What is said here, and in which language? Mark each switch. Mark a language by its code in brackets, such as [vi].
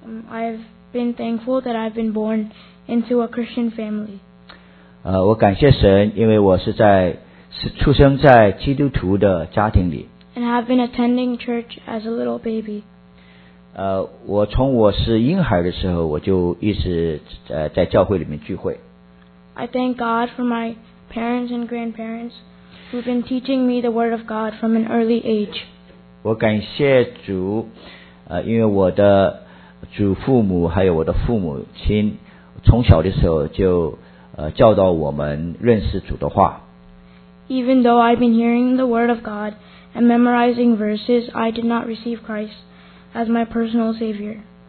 [en] I've been thankful that I've been born into a Christian family. [zh] 我感谢神，因为我是在是出生在基督徒的家庭里。 [en] And I've been attending church as a little baby. [zh] 我从我是婴孩的时候，我就一直在教会里面聚会。 [en] I thank God for my parents and grandparents who've been teaching me the word of God from an early age. [zh] 我感谢主，因为我的祖父母还有我的父母亲，从小的时候就教导我们认识主的话。 [en] Even though I've been hearing the word of God and memorizing verses, I did not receive Christ as my personal savior.